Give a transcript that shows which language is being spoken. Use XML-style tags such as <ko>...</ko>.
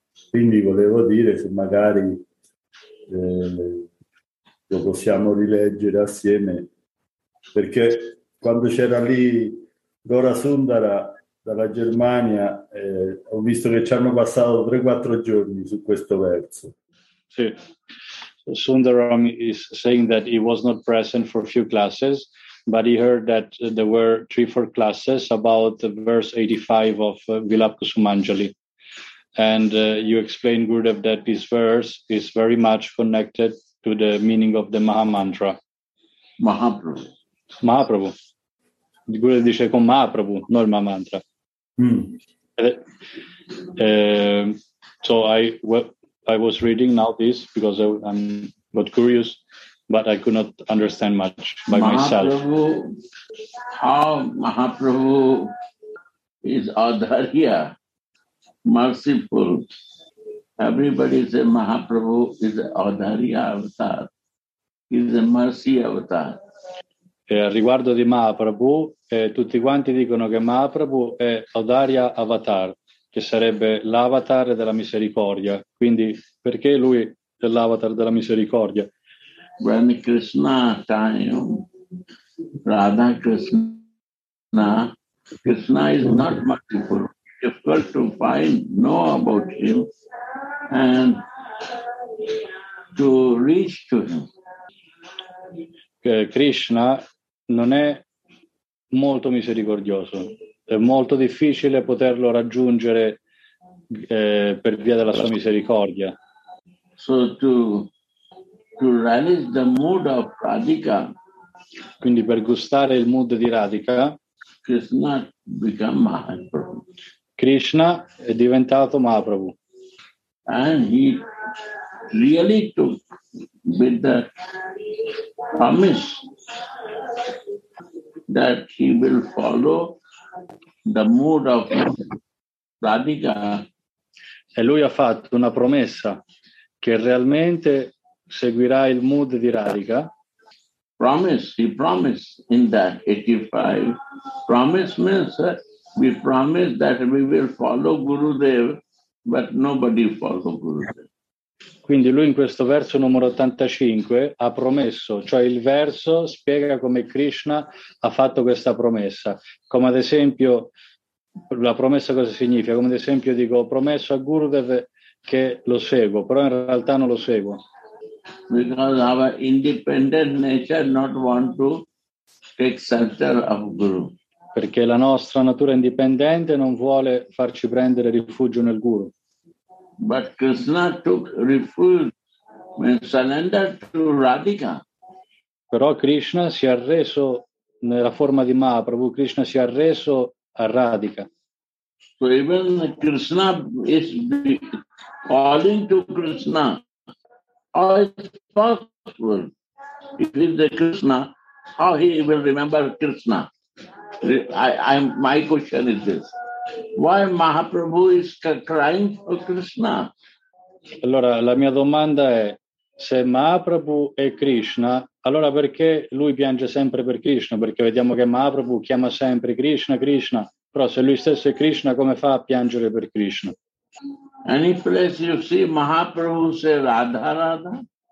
<it>Quindi volevo dire se magari lo possiamo rileggere assieme, perché quando c'era lì Gora Sundara dalla Germania, ho visto che ci hanno passato 3-4 giorni su questo verso. Sì.</it> <en>Sundaram is saying that he was not present for a few classes, but he heard that there were 3-4 classes about verse 85 of Vilakku Sumanjali. And you explained, Gurudev, that this verse is very much connected to the meaning of the Mahamantra. Mahaprabhu.</en> <it>Mahaprabhu. Gurudev dice con Mahaprabhu, non il Mahamantra.</it> <en>I was reading now this because I'm not curious, but I could not understand much by myself. How Mahaprabhu is Adharya, merciful. Everybody say Mahaprabhu is Adharya avatar, is a mercy avatar.</en> <it>Riguardo di Mahaprabhu, tutti quanti dicono che Mahaprabhu è Adharya avatar, che sarebbe l'avatar della misericordia. Quindi perché lui è l'avatar della misericordia?</it> <en>When Krishna time, Radha Krishna, Krishna is not merciful. Difficult to find, know about him and to reach to him.</en> <it>Krishna non è molto misericordioso. È molto difficile poterlo raggiungere per via della sua misericordia.</it> <en>So to relish the mood of Radhika.</en> <it>Quindi per gustare il mood di Radhika,</it> <en>Krishna become Mahaprabhu.</en> <it>Krishna è diventato Mahaprabhu.</it> <en>And he really to with the promise that he will follow the mood of Radhika.</en> <it>E lui ha fatto una promessa che realmente seguirà il mood di Radhika.</it> <en>Promise, he promised in that 85. Promise means we promise that we will follow Gurudev, but nobody follows Gurudev.</en> <it>Quindi lui in questo verso numero 85 ha promesso, cioè il verso spiega come Krishna ha fatto questa promessa. Come ad esempio, la promessa cosa significa? Come ad esempio dico, ho promesso a Gurudev che lo seguo, però in realtà non lo seguo.</it> <en>Because our independent nature not want to take shelter of Guru.</en> <it>Perché la nostra natura indipendente non vuole farci prendere rifugio nel Guru.</it> <en>But Krishna took refuge and surrendered to Radhika.</en> <it>Però Krishna si è arreso nella forma di Mahaprabhu, Krishna si è arreso a Radhika.</it> <en>So even Krishna is calling to Krishna. How is possible? If it is the Krishna, how he will remember Krishna? My question is this. Why Mahaprabhu is crying for Krishna?</en> <it>Allora, la mia domanda è, se Mahaprabhu è Krishna, allora perché lui piange sempre per Krishna? Perché vediamo che Mahaprabhu chiama sempre Krishna, Krishna. Però se lui stesso è Krishna, come fa a piangere per Krishna?</it> <en>Any place you see Mahaprabhu say Radha, Radha?</en>